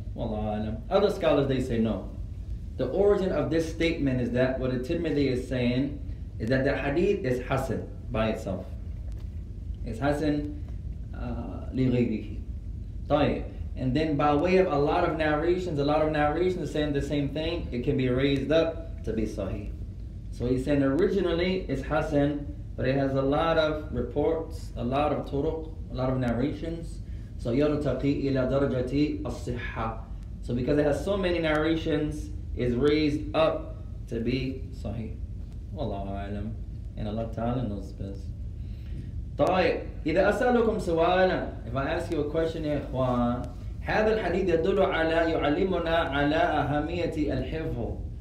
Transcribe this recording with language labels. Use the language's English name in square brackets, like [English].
[Arabic] والله أعلم. [English] Other scholars they say no. The origin of this statement is that what Tirmidhi is saying is that the hadith is hasan by itself. It's hasan لغيره. [Arabic] طيب. [English] And then by way of a lot of narrations are saying the same thing, it can be raised up to be sahih. So he's saying originally it's hasan, but it has a lot of reports, a lot of turuq, a lot of narrations. [Arabic] So يرتقي إلى درجة الصحة. [English] So because it has so many narrations, is raised up to be sahih. Wallahu a'lam. And Allah Ta'ala knows best. [Arabic] طيب إذا أسألكم سؤالا, [English] if I ask you a question, [Arabic] يا إخوان, هذا الحديث يدل على يعلمنا على أهمية الحفظ.